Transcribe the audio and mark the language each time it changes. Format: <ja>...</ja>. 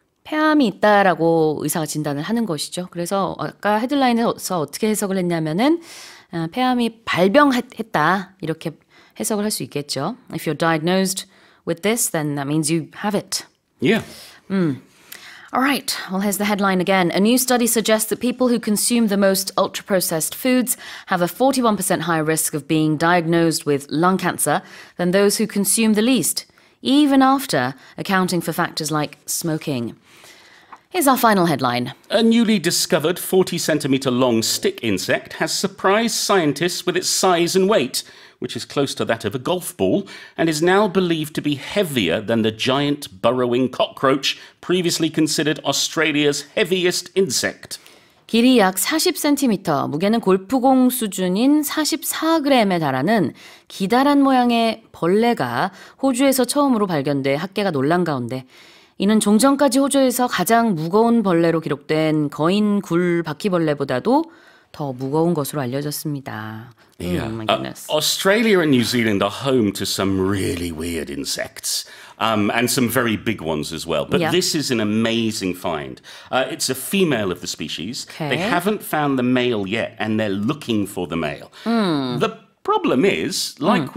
<ko>폐암이 있다라고 의사가 진단을 하는 것이죠. 그래서 아까 헤드라인에서 어떻게 해석을 했냐면은 폐암이 발병했다 이렇게 해석을 할 수 있겠죠.</ko> <en>If you're diagnosed with this, then that means you have it. Yeah. All right, well, here's the headline again. A new study suggests that people who consume the most ultra-processed foods have a 41% higher risk of being diagnosed with lung cancer than those who consume the least, even after accounting for factors like smoking. Here's our final headline. A newly discovered 40-centimeter long stick insect has surprised scientists with its size and weight, which is close to that of a golf ball, and is now believed to be heavier than the giant burrowing cockroach, previously considered Australia's heaviest insect.</en> <ko>길이 약 40cm, 무게는 골프공 수준인 44g에 달하는 기다란 모양의 벌레가 호주에서 처음으로 발견돼 학계가 놀란 가운데 이는 종전까지 호주에서 가장 무거운 벌레로 기록된 거인 굴 바퀴벌레보다도 더 무거운 것으로 알려졌습니다.</ko> <en>Yeah. Oh my goodness. Australia and New Zealand are home to some really weird insects and some very big ones as well. But yeah. this is an amazing find. It's a female of the species. Okay. They haven't found the male yet and they're looking for the male. Mm. The problem is, like mm.</en>